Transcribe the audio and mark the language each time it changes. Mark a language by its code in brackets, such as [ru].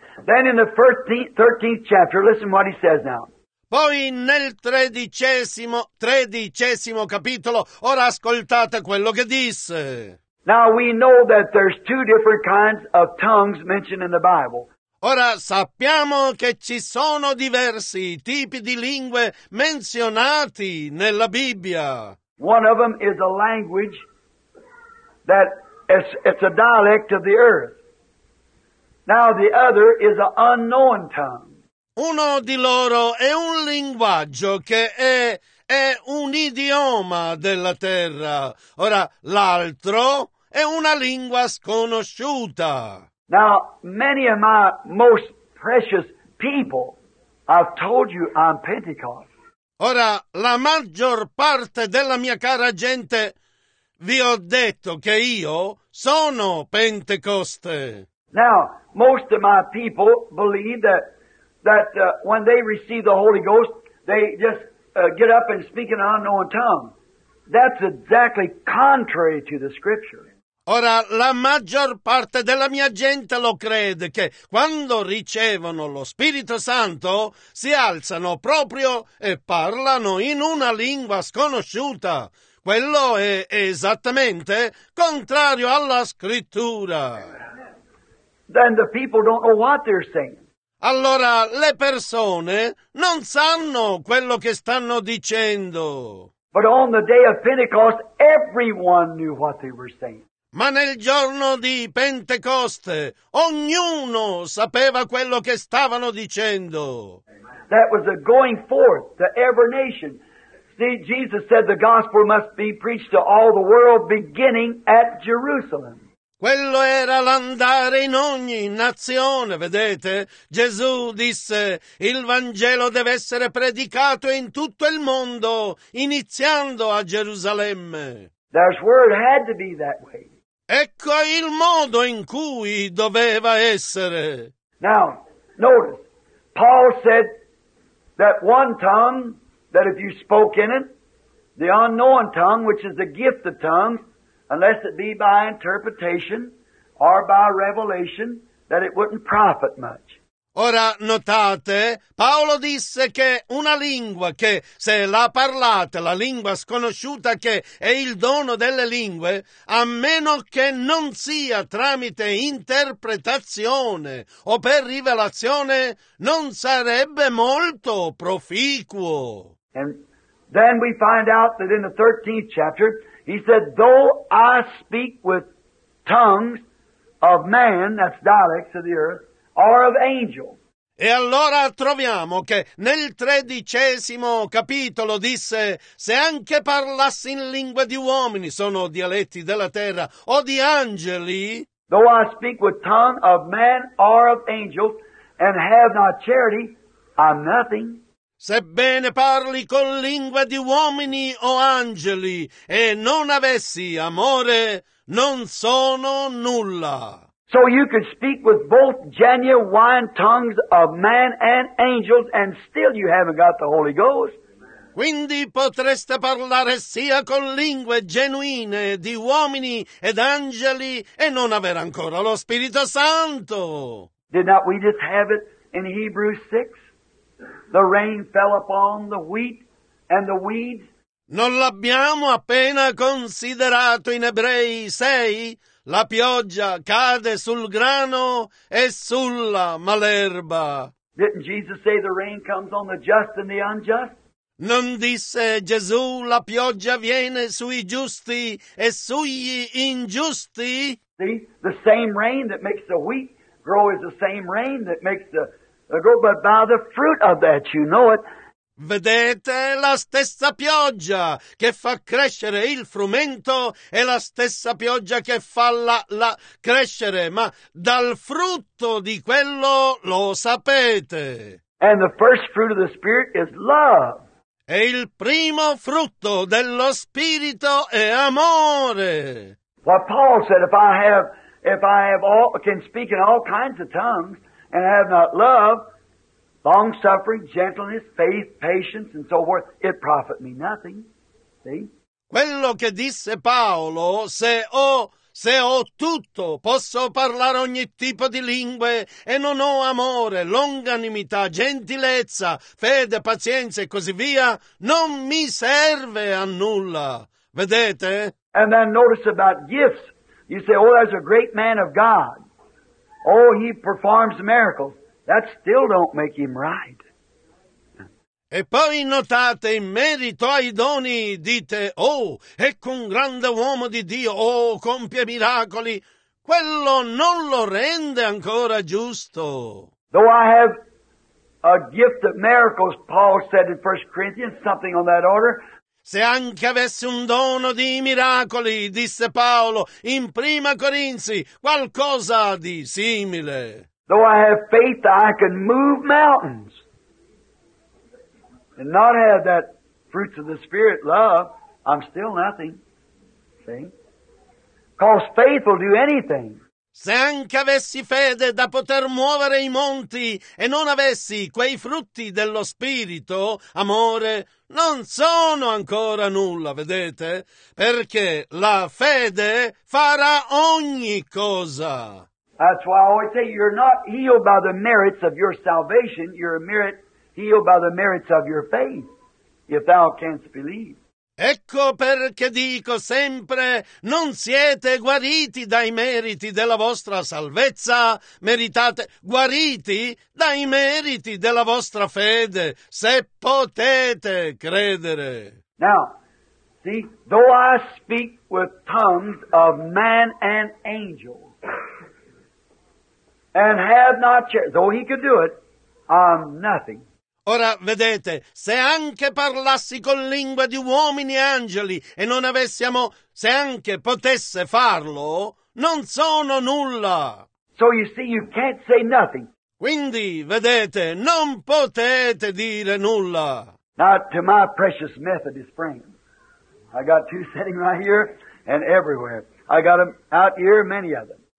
[en] Then in the 13th chapter, listen what he says now. [it] Poi nel tredicesimo capitolo, ora ascoltate quello che disse. [en] Now we know that there's two different kinds of tongues mentioned in the Bible. [it] Ora sappiamo che ci sono diversi tipi di lingue menzionati nella Bibbia. [en] One of them is a language that it's a dialect of the earth. Now the other is an unknown tongue. [it] Uno di loro è un linguaggio che è un idioma della terra. Ora, l'altro è una lingua sconosciuta. [en] Now, many of my most precious people, I've told you I'm Pentecost. [it] Ora, la maggior parte della mia cara gente, vi ho detto che io sono Pentecoste. [en] Now, most of my people believe that when they receive the Holy Ghost, they just get up and speak in an unknown tongue. That's exactly contrary to the Scripture. [it] Ora, la maggior parte della mia gente lo crede che quando ricevono lo Spirito Santo, si alzano proprio e parlano in una lingua sconosciuta. Quello è esattamente contrario alla Scrittura. [en] Then the people don't know what they're saying. [it] Allora le persone non sanno quello che stanno dicendo. [en] But on the day of Pentecost, everyone knew what they were saying. [it] Ma nel giorno di Pentecoste, ognuno sapeva quello che stavano dicendo. [en] That was a going forth to every nation. See, Jesus said the gospel must be preached to all the world beginning at Jerusalem. [it] Quello era l'andare in ogni nazione, vedete? Gesù disse, il Vangelo deve essere predicato in tutto il mondo, iniziando a Gerusalemme. [en] That word had to be that way. [it] Ecco il modo in cui doveva essere. [en] Now, notice, Paul said that one tongue, that if you spoke in it, the unknown tongue, which is the gift of tongues, unless it be by interpretation or by revelation, that it wouldn't profit much. [it] Ora notate, Paolo disse che una lingua che se la parlate, la lingua sconosciuta che è il dono delle lingue, a meno che non sia tramite interpretazione o per rivelazione, non sarebbe molto proficuo. [en] And then we find out that in the 13th chapter, he said, though I speak with tongues of man, that's dialects of the earth, or of angel. [it] E allora troviamo che nel tredicesimo capitolo disse: se anche parlassi in lingue di uomini, sono dialetti della terra, o di angeli. [en] Though I speak with tongue of man or of angels, and have not charity, I'm nothing. [it] Sebbene parli con lingue di uomini o angeli, e non avessi amore, non sono nulla. [en] So you could speak with both genuine tongues of man and angels, and still you haven't got the Holy Ghost. [it] Quindi potreste parlare sia con lingue genuine di uomini ed angeli e non avere ancora lo Spirito Santo. [en] Did not we just have it in Hebrews 6? The rain fell upon the wheat and the weeds. [it] Non l'abbiamo appena considerato in Ebrei 6? La pioggia cade sul grano e sulla malerba. [en] Didn't Jesus say the rain comes on the just and the unjust? [it] Non disse Gesù la pioggia viene sui giusti e sugli ingiusti? [en] See, the same rain that makes the wheat grow is the same rain that makes the grow, but by the fruit of that you know it. [it] Vedete, la stessa pioggia che fa crescere il frumento è la stessa pioggia che fa la crescere, ma dal frutto di quello lo sapete. [en] And the first fruit of the Spirit is love. [it] E il primo frutto dello Spirito è amore. [en] What Paul said, if I have all, can speak in all kinds of tongues and have not love, long-suffering, gentleness, faith, patience, and so forth, it profit me nothing. See? [it] Quello che disse Paolo, se ho tutto, posso parlare ogni tipo di lingue e non ho amore, longanimità, gentilezza, fede, pazienza e così via, non mi serve a nulla. Vedete? [en] And then notice about gifts. You say, oh, there's a great man of God. Oh, he performs miracles. That still don't make him right. [it] E poi notate, in merito ai doni, dite, oh, ecco un grande uomo di Dio, oh, compie miracoli. Quello non lo rende ancora giusto. [en] Though I have a gift of miracles, Paul said in 1 Corinthians, something on that order. [it] Se anche avessi un dono di miracoli, disse Paolo, in 1 Corinzi, qualcosa di simile. [en] Though I have faith that I can move mountains and not have that fruits of the Spirit, love, I'm still nothing. See? Because faith will do anything. [it] Se anche avessi fede da poter muovere i monti e non avessi quei frutti dello Spirito, amore, non sono ancora nulla, vedete? Perché la fede farà ogni cosa. [en] That's why I always say you're not healed by the merits of your salvation, you're healed by the merits of your faith, if thou canst believe. [it] Ecco perché dico sempre, non siete guariti dai meriti della vostra salvezza, meritate guariti dai meriti della vostra fede, se potete credere. [en] Now, see, though I speak with tongues of man and angel, and have not charity, though he could do it, I'm nothing. [it] Ora vedete, se anche parlassi con lingua di uomini e angeli e non avessimo, se anche potesse farlo, non sono nulla. [en] So you see, you can't say nothing. [it] Quindi vedete, non potete dire nulla. [en] Not to my precious Methodist friends. I got two sitting right here and everywhere. I got them out here, many of them.